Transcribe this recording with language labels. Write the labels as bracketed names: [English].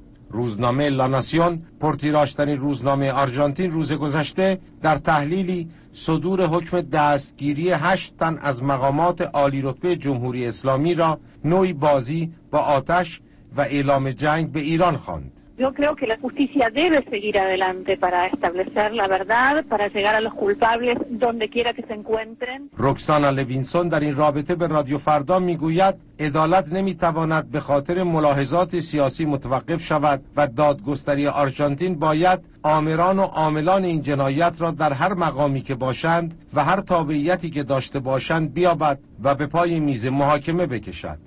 [Persian] روزنامه لاناسیون، پرتیراژ‌ترین روزنامه آرژانتین، روز گذشته در تحلیلی صدور حکم دستگیری 8 تن از مقامات عالی رتبه جمهوری اسلامی را نوعی بازی با آتش و اعلام جنگ به ایران خواند. [Spanish] Yo creo que la justicia debe seguir adelante para establecer la verdad, para llegar a los culpables donde quiera que se encuentren. [Persian] Roxana Levinson در این رابطه به رادیو فردا میگوید عدالت نمیتواند به خاطر ملاحظات سیاسی متوقف شود و دادگستری آرژانتین باید آمران و عاملان این جنایت را در هر مقامی که باشند و هر تابعیتی که داشته باشند بیابد و به پای میز محاکمه بکشد.